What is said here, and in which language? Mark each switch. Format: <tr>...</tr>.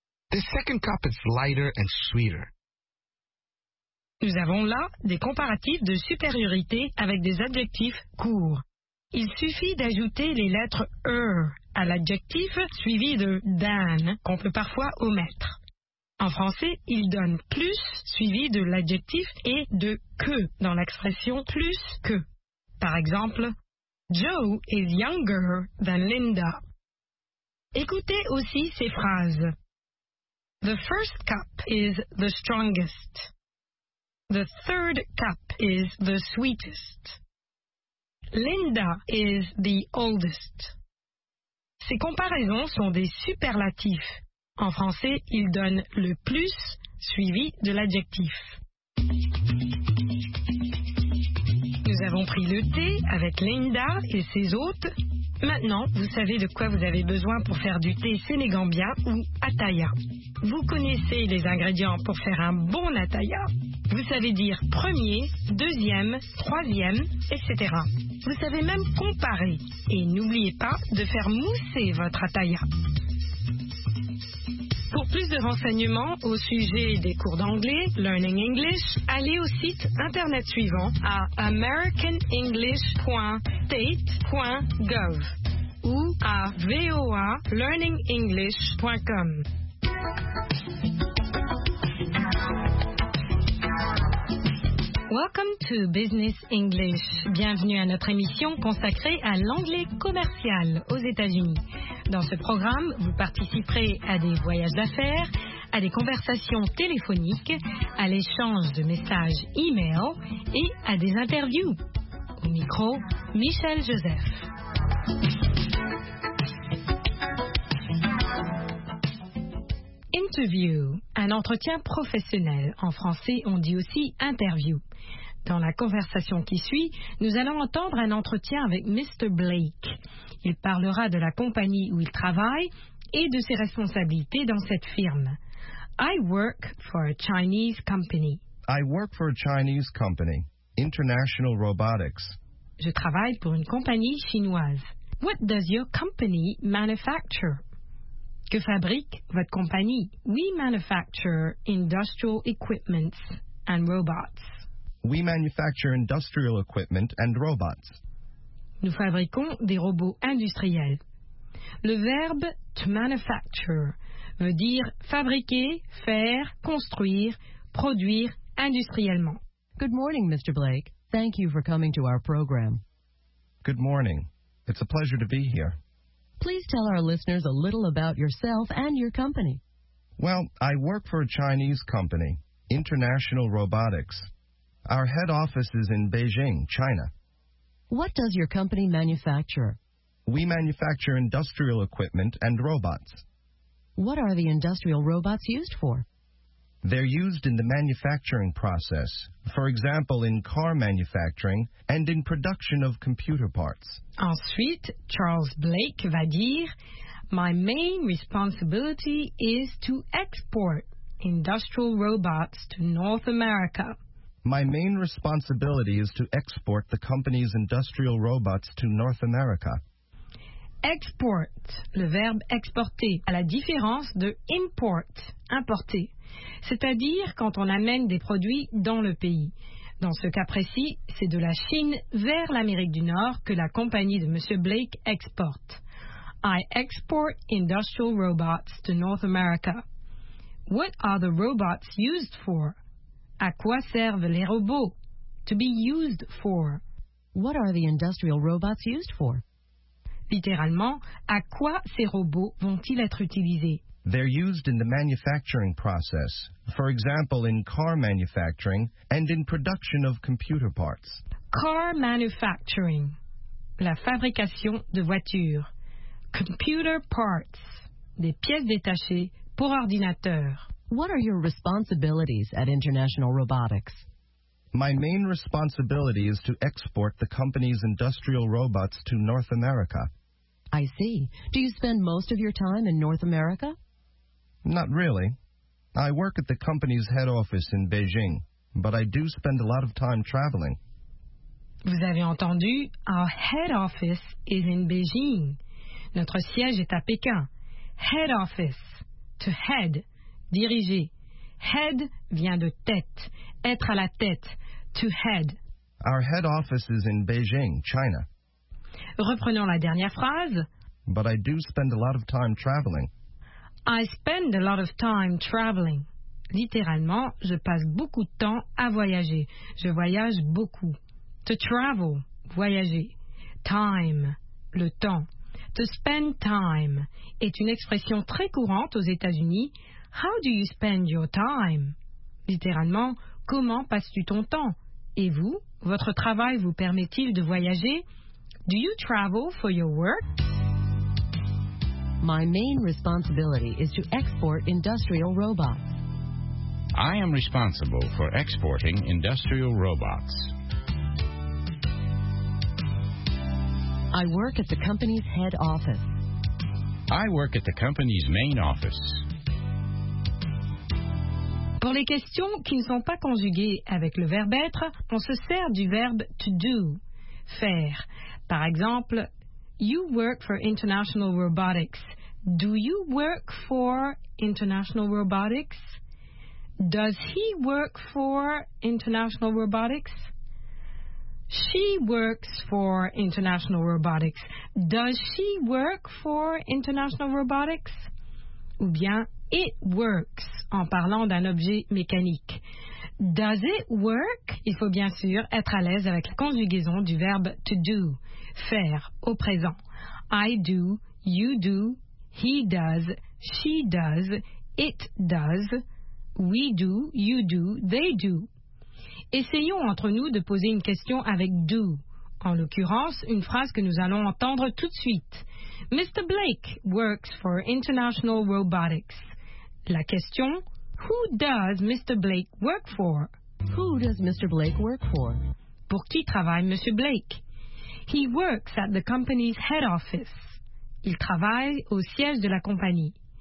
<en>The second cup is lighter and sweeter.</en> <fr>Nous avons là des comparatifs de supériorité avec des adjectifs courts. Il suffit d'ajouter les lettres er à l'adjectif suivi de than qu'on peut parfois omettre. En français, il donne plus suivi de l'adjectif et de que dans l'expression plus que. Par exemple,</fr> <en>Joe is younger than Linda.</en> <fr>Écoutez aussi ces phrases.</fr> <en>The first cup is the strongest. The third cup is the sweetest. Linda is the oldest.</en> <fr>Ces comparaisons sont des superlatifs. En français, ils donnent le plus suivi de l'adjectif. Nous avons pris le thé avec Linda et ses hôtes. Maintenant, vous savez de quoi vous avez besoin pour faire du thé sénégambien ou ataya. Vous connaissez les ingrédients pour faire un bon ataya. Vous savez dire premier, deuxième, troisième, etc. Vous savez même comparer. Et n'oubliez pas de faire mousser votre ataya. Pour plus de renseignements au sujet des cours d'anglais, Learning English, allez au site internet suivant à americanenglish.state.gov ou à voalearningenglish.com.</fr> <en>Welcome to Business English.</en> <fr>Bienvenue à notre émission consacrée à l'anglais commercial aux États-Unis. Dans ce programme, vous participerez à des voyages d'affaires, à des conversations téléphoniques, à l'échange de messages e-mail et à des interviews. Au micro, Michel Joseph. Interview, un entretien professionnel. En français, on dit aussi interview. Dans la conversation qui suit, nous allons entendre un entretien avec Mr. Blake. Il parlera de la compagnie où il travaille et de ses responsabilités dans cette firme.</fr> <en>I work for a Chinese company. I work for a Chinese company, International Robotics.</en> <fr>Je travaille pour une compagnie chinoise.</fr> <en>What does your company manufacture?</en> <fr>Que fabrique votre compagnie?</fr> <en>We manufacture industrial equipment and robots. We manufacture industrial equipment and robots.</en> <fr>Nous fabriquons des robots industriels. Le verbe to manufacture veut dire fabriquer, faire, construire, produire industriellement.</fr> <en>Good morning, Mr. Blake. Thank you for coming to our program. Good morning. It's a pleasure to be here. Please tell our listeners a little about yourself and your company. Well, I work for a Chinese company, International Robotics. Our head office is in Beijing, China. What does your company manufacture? We manufacture industrial equipment and robots. What are the industrial robots used for? They're used in the manufacturing process, for example, in car manufacturing and in production of computer parts.</en> <fr>Ensuite, Charles Blake va dire,</fr> <en>My main responsibility is to export industrial robots to North America. My main responsibility is to export the company's industrial robots to North America.</en> <fr>Export, le verbe exporter, à la différence de import, importer. C'est-à-dire quand on amène des produits dans le pays. Dans ce cas précis, c'est de la Chine vers l'Amérique du Nord que la compagnie de M. Blake exporte.</fr> <en>I export industrial robots to North America. What are the robots used for?</en> <fr>À quoi servent les robots?</fr> <en>To be used for. What are the industrial robots used for?</en> <fr>Littéralement, à quoi ces robots vont-ils être utilisés?</fr> <en>They're used in the manufacturing process, for example, in car manufacturing and in production of computer parts. Car manufacturing,</en> <fr>la fabrication de voitures.</fr> <en>Computer parts,</en> <fr>des pièces détachées pour ordinateur.</fr> <en>What are your responsibilities at International Robotics? My main responsibility is to export the company's industrial robots to North America. I see. Do you spend most of your time in North America? Not really. I work at the company's head office in Beijing, but I do spend a lot of time traveling.</en> <fr>Vous avez entendu,</fr> <en>our head office is in Beijing.</en> <fr>Notre siège est à Pékin. Head office. To head. Diriger. Head vient de tête. Être à la tête. To head.</fr> <en>Our head office is in Beijing, China.</en> <fr>Reprenons la dernière phrase.</fr> <en>But I do spend a lot of time traveling. I spend a lot of time traveling.</en> <fr>Littéralement, je passe beaucoup de temps à voyager. Je voyage beaucoup. To travel, voyager. Time, le temps. To spend time est une expression très courante aux États-Unis.</fr> <en>How do you spend your time?</en> <fr>Littéralement, comment passes-tu ton temps? Et vous, votre travail vous permet-il de voyager?</fr> <en>Do you travel for your work? My main responsibility is to export industrial robots. I am responsible for exporting industrial robots. I work at the company's head office. I work at the company's main office.</en> <fr>Pour les questions qui ne sont pas conjuguées avec le verbe être, on se sert du verbe to do, faire. Par exemple,</fr> <en>you work for International Robotics. Do you work for International Robotics? Does he work for International Robotics? She works for International Robotics. Does she work for International Robotics?</en> <fr>Ou bien,</fr> <en>it works,</en> <fr>en parlant d'un objet mécanique.</fr> <en>Does it work?</en> <fr>Il faut bien sûr être à l'aise avec la conjugaison du verbe to do, faire, au présent.</fr> <en>I do, you do, he does, she does, it does. We do, you do, they do.</en> <fr>Essayons entre nous de poser une question avec do. En l'occurrence, une phrase que nous allons entendre tout de suite.</fr> <en>Mr. Blake works for International Robotics.</en> <fr>La question,</fr> <en>who does Mr. Blake work for? Who does Mr. Blake work for?</en> <fr>Pour qui travaille Monsieur Blake?</fr> <en>He works at the company's head office.</en> <fr>Il travaille au siège de la compagnie.</fr>